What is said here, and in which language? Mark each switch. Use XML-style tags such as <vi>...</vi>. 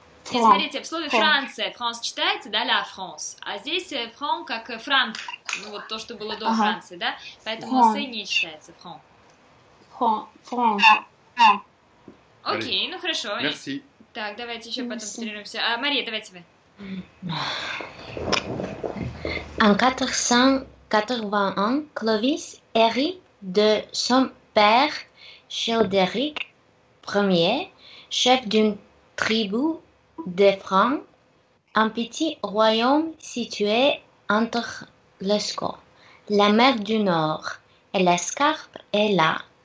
<ru>Et смотрите, в слове France, France читается, да, la France. А здесь France как Франк. Ну вот то, что было до Франции, да? Поэтому C не читается, France. France. Окей, ну хорошо.</ru> <fr>Merci.</fr> <ru>Так, давайте еще потом тренируемся. А, Мария, давайте вы.</ru> <fr>En 481, Clovis hérite de son père, Childéric Ier, chef d'une tribu des Francs, un petit royaume situé entre l'Escaut, la mer du Nord et la Scarpe et la.</fr>